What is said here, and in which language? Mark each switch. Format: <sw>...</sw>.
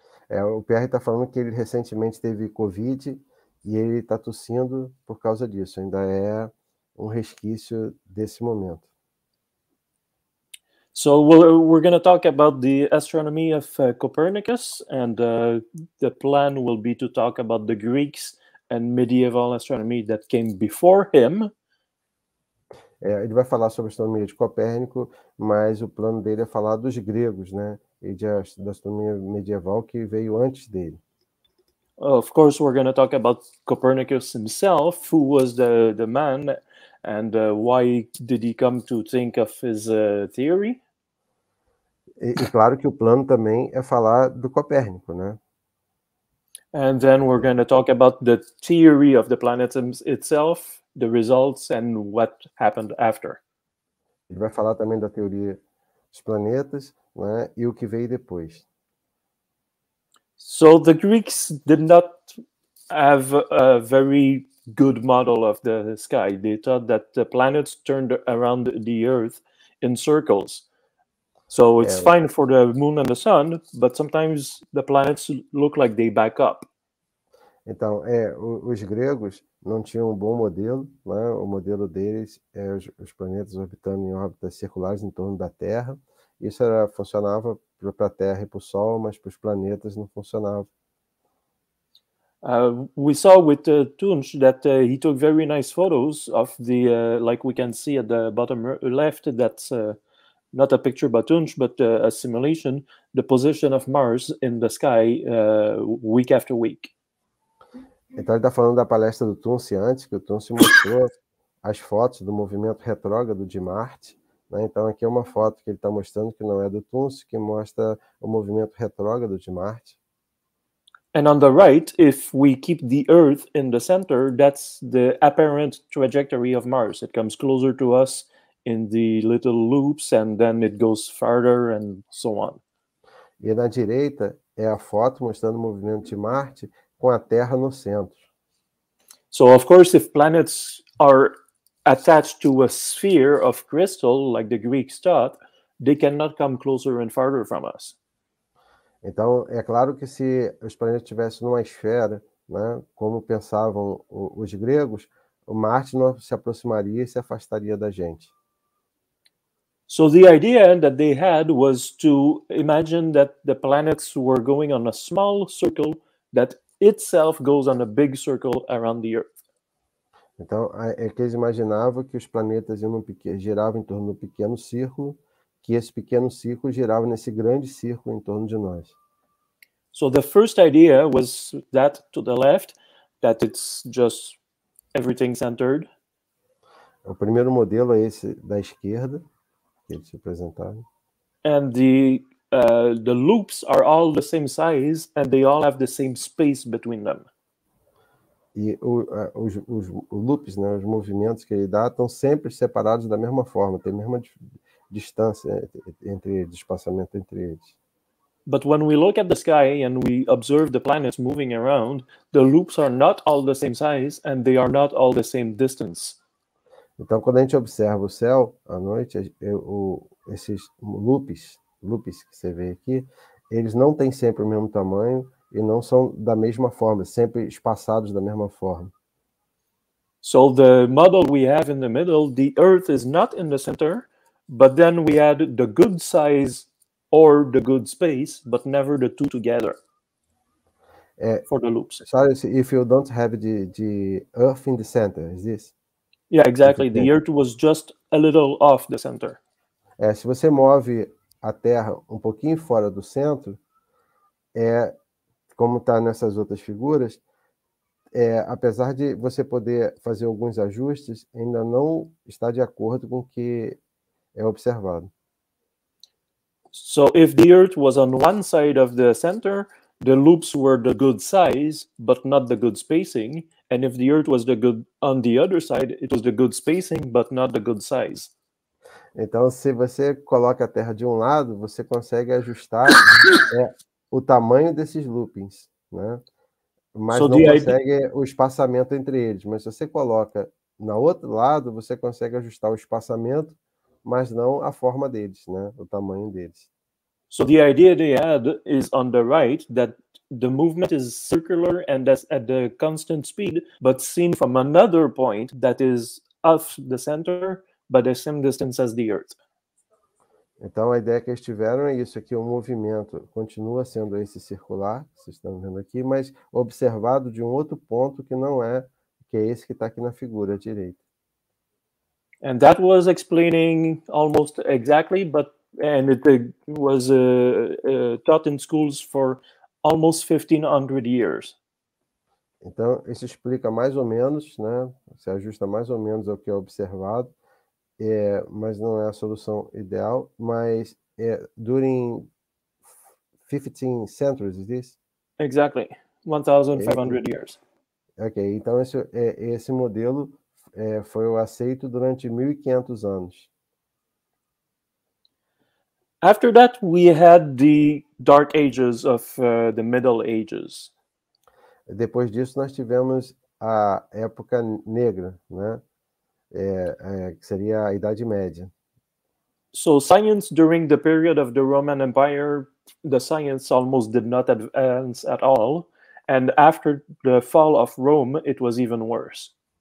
<pt>O Pierre está falando que ele recentemente teve Covid e ele está tossindo por causa disso. Ainda é um resquício desse momento.</pt> <en>So we're going to talk about the astronomy of Copernicus, and the plan will be to talk about the Greeks and medieval astronomy that came before him.</en> <pt>Ele vai falar sobre a astronomia de Copérnico, mas o plano dele é falar dos gregos, né? E da astronomia medieval que veio antes dele.</pt> <en>Of course, we're going to talk about Copernicus himself, who was the man, and why did he come to think of his theory?</en> <pt>E claro que o plano também é falar do Copérnico, né?</pt> <en>And then we're going to talk about the theory of the planet itself, the results, and what happened after.</en> <pt>Ele vai falar também da teoria dos planetas, né, e o que veio depois.</pt> <en>So the Greeks did not have a very good model of the sky. They thought that the planets turned around the Earth in circles. So it's fine for the moon and the sun, but sometimes the planets look like they back up.</en> <pt>Então, os gregos não tinham um bom modelo, né? O modelo deles é os planetas orbitando em órbitas circulares em torno da Terra. Isso era, funcionava para a Terra e para o Sol, mas para os planetas não funcionava.</pt> <en>We saw with Tunch that he took very nice photos of the, like we can see at the bottom left, that's not a picture by Tunch, but a simulation, the position of Mars in the sky week after week.</en> <pt>Então ele está falando da palestra do Tunce antes, que o Tunce mostrou as fotos do movimento retrógrado de Marte. Né? Então aqui é uma foto que ele está mostrando que não é do Tunce, que mostra o movimento retrógrado de Marte.</pt> <en>And on the right, if we keep the Earth in the center, that's the apparent trajectory of Mars. It comes closer to us in the little loops, and then it goes farther, and so on.</en> <pt>E na direita é a foto mostrando o movimento de Marte com a Terra no centro.</pt> <en>So, of course, if planets are attached to a sphere of crystal, like the Greeks thought, they cannot come closer and farther from us.</en> <pt>Então, é claro que se os planetas estivessem numa esfera, né, como pensavam os gregos, o Marte não se aproximaria e se afastaria da gente.</pt> <en>So the idea that they had was to imagine that the planets were going on a small circle that itself goes on a big circle around the Earth.</en> <pt>Então, é que eles imaginavam que os planetas giravam em torno de um pequeno círculo, que esse pequeno círculo girava nesse grande círculo em torno de nós.</pt> <en>So the first idea was that to the left, that it's just everything centered.</en> <pt>O primeiro modelo é esse da esquerda, que eles apresentaram.</pt> <en>And the loops are all the same size and they all have the same space between them.</en> <pt>E os loops, né, os movimentos que ele dá, estão sempre separados da mesma forma, tem a mesma distância entre eles, espaçamento entre eles.</pt> <en>But when we look at the sky and we observe the planets moving around, the loops are not all the same size and they are not all the same distance.</en> <pt>Então, quando a gente observa o céu à noite, esses loops que você vê aqui, eles não têm sempre o mesmo tamanho e não são da mesma forma, sempre espaçados da mesma forma.</pt> <en>So the model we have in the middle, the Earth is not in the center. But then we add the good size or the good space, but never the two together for the loops. Sorry, if you don't have the Earth in the center, is this? Yeah, exactly. The Earth was just a little off the center.</en> <pt>Se você move a Terra pouquinho fora do centro, como está nessas outras figuras, apesar de você poder fazer alguns ajustes, ainda não está de acordo com que é observado.</pt> <en>So if the Earth was on one side of the center, the loops were the good size, but not the good spacing. And if the Earth was on the other side, it was the good spacing, but not the good size.</en> <pt>Então, se você coloca a Terra de lado, você consegue ajustar o tamanho desses loopings, né? Mas o espaçamento entre eles. Mas se você coloca no outro lado, você consegue ajustar o espaçamento, mas não a forma deles, né? O tamanho deles.</pt> <en>So the idea they had is on the right, that the movement is circular and that's at the constant speed, but seen from another point that is off the center, but the same distance as the Earth.</en> <pt>Então a ideia que eles tiveram é isso aqui, o movimento continua sendo esse circular, vocês estão vendo aqui, mas observado de outro ponto que não é, que é esse que está aqui na figura à direita.</pt> <en>And that was explaining almost exactly, taught in schools for almost 1500 years.</en> <pt>Então, isso explica mais ou menos, né? Se ajusta mais ou menos ao que é observado, mas não é a solução ideal, mas</pt> <en>during 15 centuries, is this? Exactly, 1,500 years.</en> <pt>Ok, então esse modelo foi o aceito durante 1,500 anos.</pt> <en>After that, we had the Dark Ages of the Middle Ages.</en> <pt>Depois disso, nós tivemos a época negra, né? Que seria a Idade Média.</pt> <en>So science during the period of the Roman Empire, the science almost did not advance at all. And after the fall of Rome, it was even worse.</en>